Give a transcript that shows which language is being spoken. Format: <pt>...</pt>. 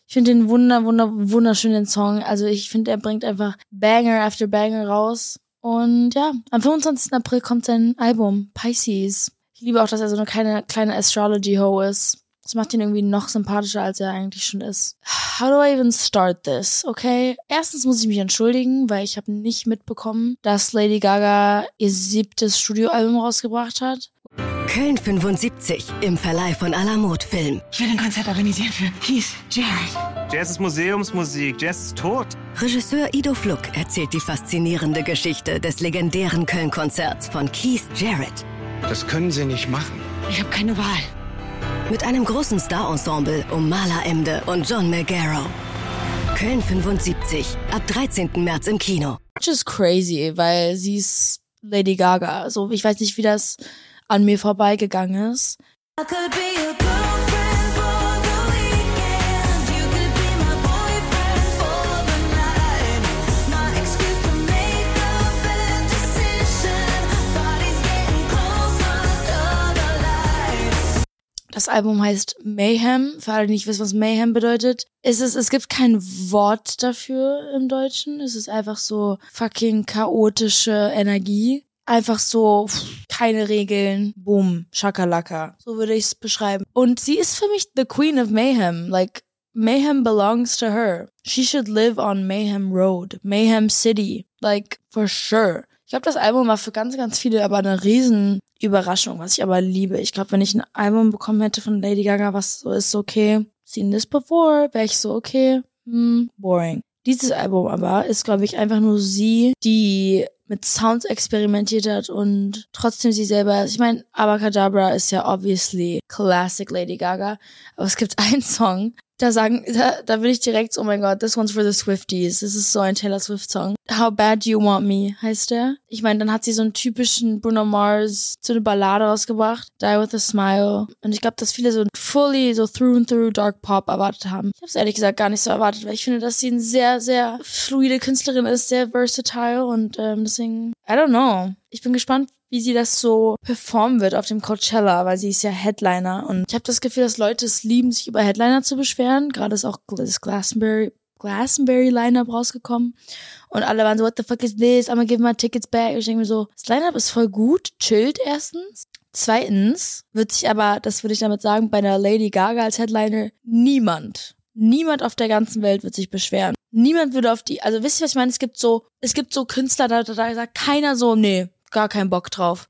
<de>Ich finde den wunderschönen Song. Also ich finde, er bringt einfach</de> <en>Banger after Banger</en> <de>raus. Und ja, am 25. April kommt sein Album, Pisces. Ich liebe auch, dass er so eine kleine Astrology-Ho ist. Das macht ihn irgendwie noch sympathischer, als er eigentlich schon ist.</de> <en>How do I even start this, okay?</en> <de>Erstens muss ich mich entschuldigen, weil ich habe nicht mitbekommen, dass Lady Gaga ihr 7. Studioalbum rausgebracht hat. Köln 75 im Verleih von Alamod Film. Ich will ein Konzert organisieren für Keith Jarrett. Jazz ist Museumsmusik, Jazz ist tot. Regisseur Ido Fluck erzählt die faszinierende Geschichte des legendären Köln-Konzerts von Keith Jarrett. Das können Sie nicht machen. Ich habe keine Wahl. Mit einem großen Star-Ensemble um Mala Emde und John McGarrow. Köln 75, ab 13. März im Kino.</de> <en>Which is crazy,</en> <de>weil sie ist Lady Gaga. So, ich weiß nicht, wie das an mir vorbeigegangen ist.</de> <en>I could be a girlfriend for the weekend. You could be my boyfriend for the night. My excuse to make a bad decision. Body's getting closer to the lights.</en> <de>Das Album heißt Mayhem. Für alle, die nicht wissen, was Mayhem bedeutet. Es gibt kein Wort dafür im Deutschen. Es ist einfach so fucking chaotische Energie. Einfach so, keine Regeln, boom, Schakalaka. So würde ich es beschreiben. Und sie ist für mich</de> <en>the queen of mayhem. Like, mayhem belongs to her. She should live on Mayhem Road, Mayhem City. Like, for sure.</en> <de>Ich glaube, das Album war für ganz, ganz viele aber eine riesen Überraschung, was ich aber liebe. Ich glaube, wenn ich ein Album bekommen hätte von Lady Gaga, was so ist, okay,</de> <en>seen this before,</en> <de>wäre ich so, okay, boring. Dieses Album aber ist, glaube ich, einfach nur sie, die mit Sounds experimentiert hat und trotzdem sie selber ist. Ich meine, Abracadabra ist ja</de> <en>obviously classic</en> <de>Lady Gaga, aber es gibt einen Song, da bin ich direkt, oh mein Gott,</de> <en>this one's for the Swifties.</en> <de>Das ist so ein Taylor Swift Song. How Bad You Want Me heißt der. Ich meine, dann hat sie so einen typischen Bruno Mars zu einer Ballade rausgebracht, Die With A Smile. Und ich glaube, dass viele so fully so</de> <en>through and through</en> <de>Dark Pop erwartet haben. Ich habe es ehrlich gesagt gar nicht so erwartet, weil ich finde, dass sie eine sehr, sehr fluide Künstlerin ist, sehr versatile und deswegen,</de> <en>I don't know.</en> <de>Ich bin gespannt, wie sie das so performen wird auf dem Coachella, weil sie ist ja Headliner. Und ich habe das Gefühl, dass Leute es lieben, sich über Headliner zu beschweren. Gerade ist auch das Glastonbury-Lineup rausgekommen. Und alle waren so,</de> <en>what the fuck is this? I'm gonna give my tickets back.</en> <de>Ich denke mir so, das Lineup ist voll gut, chillt erstens. Zweitens wird sich aber, das würde ich damit sagen, bei einer Lady Gaga als Headliner niemand auf der ganzen Welt wird sich beschweren. Niemand würde auf die, also wisst ihr, was ich meine? Es gibt so Künstler, da sagt keiner so, nee, gar keinen Bock drauf.</de>